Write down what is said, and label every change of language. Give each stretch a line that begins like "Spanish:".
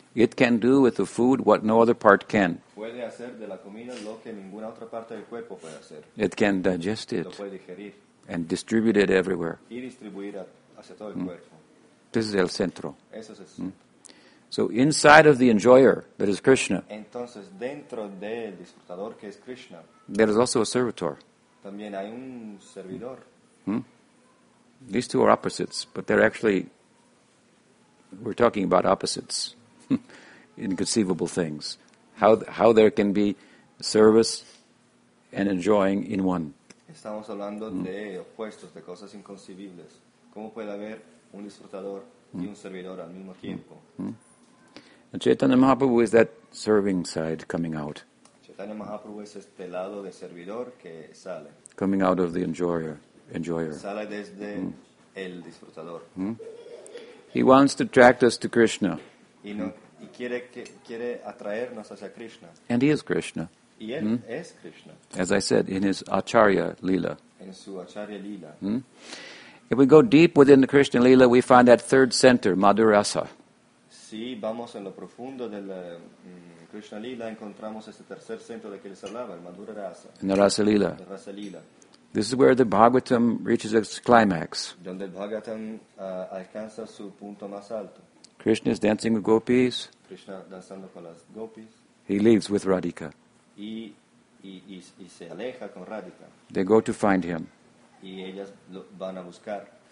English: It can do with the food what no other part can.
Spanish: Puede hacer de la comida lo que ninguna otra parte del cuerpo puede hacer.
English: It can digest it.
Spanish: Lo puede digerir.
English: And distribute it everywhere.
Spanish: Y distribuir hacia todo el cuerpo.
English: This is el centro.
Spanish: Eso es el centro.
English: So inside of the enjoyer, that is Krishna.
Spanish: Entonces dentro del disfrutador que es Krishna.
English: There is also a servitor.
Spanish: También hay un servidor.
English: These two are opposites, but they're actually, we're talking about opposites. Inconceivable things. How there can be service and enjoying in one.
Spanish: Estamos hablando de opuestos, de cosas inconcebibles. ¿Cómo puede haber un disfrutador y un servidor al mismo tiempo?
English: And Chaitanya Mahaprabhu is that serving side coming out.
Spanish: Chaitanya Mahaprabhu es este lado de servidor que sale.
English: Coming out of the enjoyer.
Spanish: Sale desde el disfrutador.
English: Mm. He wants to attract us to Krishna.
Spanish: Y quiere quiere atraernos hacia Krishna.
English: And he is Krishna.
Spanish: Y él es Krishna.
English: As I said, in his Acharya Lila.
Spanish: En su Acharya Lila.
English: Mm. If we go deep within the Krishna Lila, we find that third center, Madhurasa.
Spanish: Si vamos en lo profundo del Krishna Lila, encontramos este tercer centro de que les hablaba, el Madhurasa.
English: In the Rasa Lila.
Spanish: El Rasa Lila.
English: This is where the Bhagavatam reaches its climax.
Spanish: Donde el Bhagavatam alcanza su punto más alto.
English: Krishna is dancing with gopis.
Spanish: Krishna danzando con las gopis.
English: He leaves with Radhika.
Spanish: Y se aleja con Radhika.
English: They go to find him.
Spanish: Y ellas van a buscar.